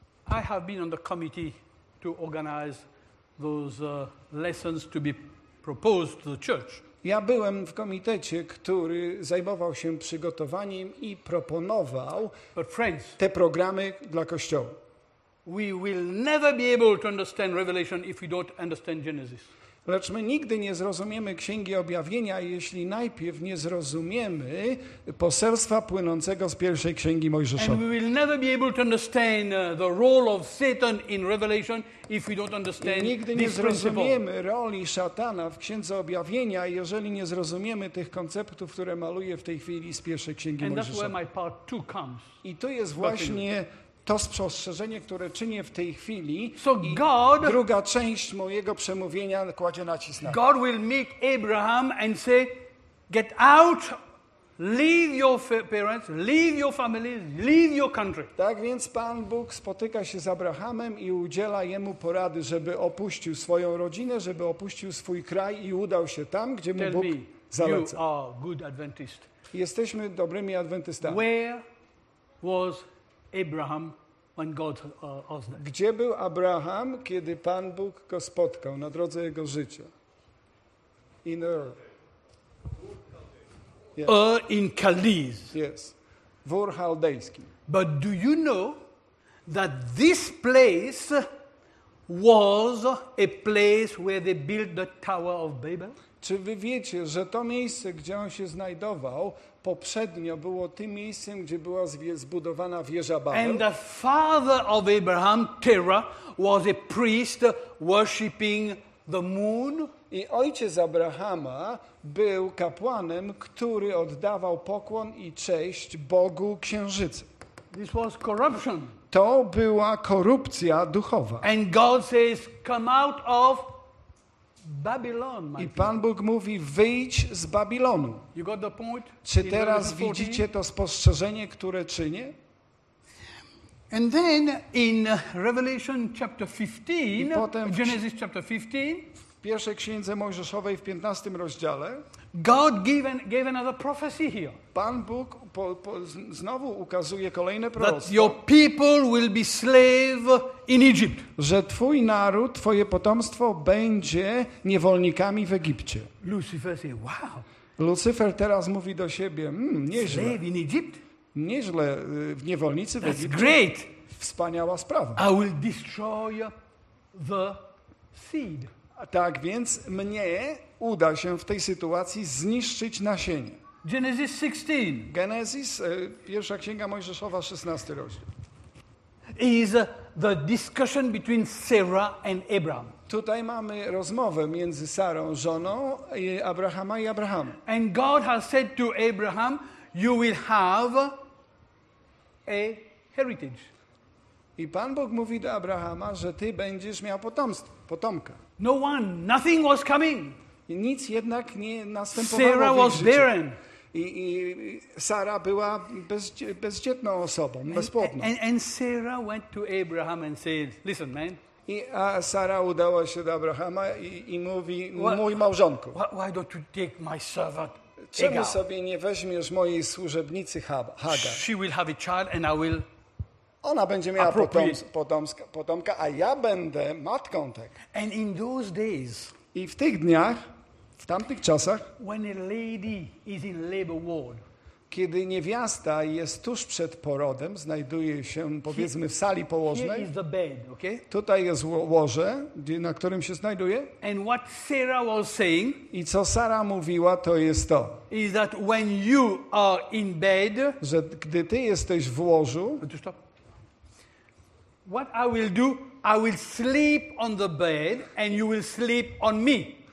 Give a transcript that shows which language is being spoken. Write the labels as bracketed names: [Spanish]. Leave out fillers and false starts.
[English] I have been on the committee to organize those lessons to be proposed to the church. [Polish] Ja byłem w komitecie, który zajmował się przygotowaniem i proponował te programy dla Kościoła. [English] We will never be able to understand Revelation if we don't understand Genesis. [Polish] Lecz my nigdy nie zrozumiemy Księgi Objawienia, jeśli najpierw nie zrozumiemy poselstwa płynącego z pierwszej Księgi Mojżeszowej. [English] And we will never be able to understand the role of Satan in Revelation if we don't understand this principle. [Polish] Nigdy nie zrozumiemy roli szatana w Księdze Objawienia, jeżeli nie zrozumiemy tych konceptów, które maluję w tej chwili z pierwszej Księgi [English] And [Polish] Mojżeszowej. [English] That's where my part two comes. [Polish] I to jest właśnie to spostrzeżenie, które czynię w tej chwili, [English] so God, [Polish] i druga część mojego przemówienia kładzie nacisk na. [English] God will meet Abraham and say, get out, leave your parents, leave your family, leave your country. [Polish] Tak więc Pan Bóg spotyka się z Abrahamem i udziela jemu porady, żeby opuścił swoją rodzinę, żeby opuścił swój kraj i udał się tam, gdzie mu [English] Tell [Polish] Bóg [English] me, [Polish] zaleca. [English] You are good Adventist. [Polish] Jesteśmy dobrymi adwentystami. [English] Where was Abraham when God was there. [Polish] Gdzie był Abraham, kiedy Pan Bóg go spotkał na drodze jego życia? [English] In Ur. Yes. Ur in Chaldees. Yes. [Polish] W Ur chaldejskim. [English] But do you know that this place was a place where they built the Tower of Babel? [Polish] Czy wy wiecie, że to miejsce, gdzie on się znajdował, poprzednio było tym miejscem, gdzie była zbudowana wieża Babel? [English] And the father of Abraham, Terah, was a priest worshiping the moon. [Polish] I ojciec Abrahama był kapłanem, który oddawał pokłon i cześć Bogu Księżycy. [English] This was corruption. [Polish] To była korupcja duchowa. [English] And God says, come out of Babylon, [Polish] i Pan Bóg mówi, wyjdź z Babilonu. [English] You got the point? [Polish] Czy teraz widzicie to spostrzeżenie, które czynię? [English] And then in Revelation chapter 15, Genesis chapter 15, [Polish] pierwszej księdze Mojżeszowej w 15 rozdziale [English] God gave another prophecy here. [Polish] Pan Bóg znowu ukazuje kolejne proroctwo. [English] That your people will be slave in Egypt. [Polish] Że twój naród, twoje potomstwo będzie niewolnikami w Egipcie. [English] Lucifer say, wow. [Polish] Lucifer teraz mówi do siebie, nieźle. [English] Slave in Egypt? [Polish] Nieźle, w niewolnicy w [English] That's [Polish] Egipcie. [English] Great. [Polish] Wspaniała sprawa. [English] I will destroy the seed. [Polish] Tak więc mnie uda się w tej sytuacji zniszczyć nasienie. [English] Genesis 16. [Polish] Genesis, pierwsza księga Mojżeszowa, 16 rozdział. [English] Is the discussion between Sarah and Abraham. [Polish] Tutaj mamy rozmowę między Sarą, żoną Abrahama i Abrahamem. [English] And God has said to Abraham, you will have a heritage. [Polish] I Pan Bóg mówi do Abrahama, że ty będziesz miał potomstwo, potomka. [English] No one, nothing was coming. [Polish] I nic jednak nie następowało. [English] Sarah was barren. [Polish] I Sara była bezdzietną osobą, bezpłodną. [English] And Sarah went to Abraham and said, listen, man. [Polish] I Sara udała się do Abrahama i mówi, mój małżonku. [English] Why don't you take my servant? [Polish] Czemu sobie nie weźmiesz mojej służebnicy Hagar? [English] She will have a child and I will. [Polish] Ona będzie miała potomka, a ja będę matką tego. [English] And in those days, [Polish] i w tych dniach, w tamtych czasach, [English] when a lady is in labor ward, [Polish] kiedy niewiasta jest tuż przed porodem, znajduje się, powiedzmy, w sali położnej, [English] here is the bed, okay? [Polish] Tutaj jest łoże, na którym się znajduje. [English] And what Sarah was saying, [Polish] i co Sara mówiła, to jest to, [English] is that when you are in bed, [Polish] że gdy ty jesteś w łożu, [English] what I will do, I will sleep on the bed and you will sleep on me.